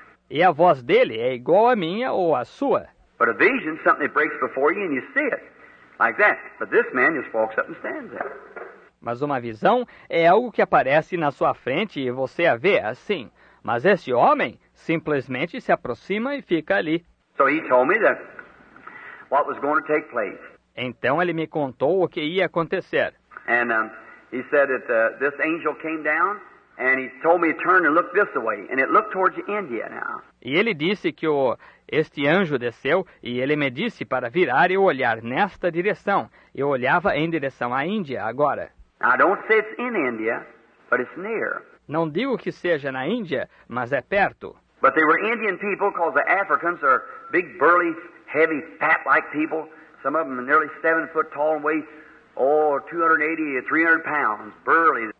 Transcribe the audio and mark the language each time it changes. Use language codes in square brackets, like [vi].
[pt] E a voz dele é igual à minha ou à sua. Mas uma visão é algo que quebra diante de você e você vê. Como assim. Mas esse homem só volta e se senta ali. Mas uma visão é algo que aparece na sua frente e você a vê assim. Mas esse homem simplesmente se aproxima e fica ali. [en] So he told me that what was going to take place. [pt] Então ele me contou o que ia acontecer. [en] And he said that this angel came down and he told me to turn and look this way and it looked towards India now. [pt] E ele disse que este anjo desceu e ele me disse para virar e olhar nesta direção. Eu olhava em direção à Índia agora. [en] I don't say it's in India, but it's near. [pt] Não digo que seja na Índia, mas é perto. [en] But they were Indian people, because the Africans are big, burly, heavy, fat-like people. Some of them are nearly 7 foot tall and weigh 280 to 300 pounds, burly.